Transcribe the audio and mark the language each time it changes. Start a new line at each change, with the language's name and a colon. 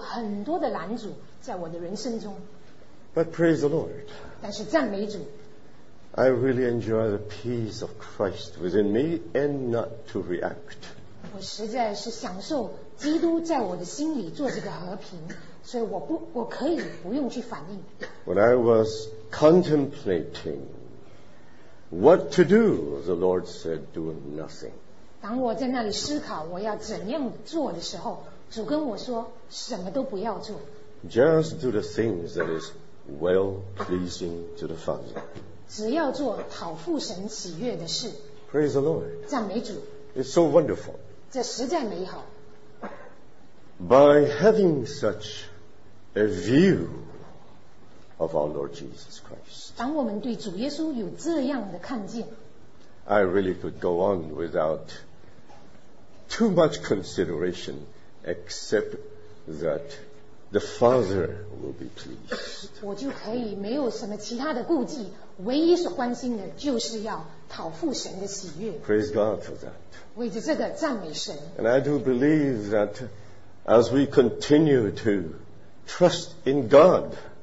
Chinese: 在最近这几年也是有很多的拦阻在我的人生中。
English: But praise the Lord,
Chinese: 但是赞美主,
English: I really enjoy the peace of Christ within me and not to react.
Chinese: 我实在是享受基督在我的心里做这个和平, 所以我可以不用去反应。
English: When I was contemplating what to do, the Lord said, do nothing.
Chinese: 当我在那里思考我要怎样做的时候, 主跟我说什么都不要做。
English: Just do the things that is well-pleasing to the Father.
Chinese: 只要做讨父神喜悦的事。
English: Praise the Lord.
Chinese: 赞美主。
English: It's so wonderful.
Chinese: 这实在美好。
English: By having such a view of our Lord Jesus Christ,
Chinese: 当我们对主耶稣有这样的看见,
English: I really could go on without too much consideration, except that the Father will be pleased.
Chinese: 我就可以没有什么其他的顾忌, 唯一所关心的就是要讨父神的喜悦。
English: Praise God for that.
Chinese: 为着这个赞美神。
English: And I do believe that as we continue to trust in God,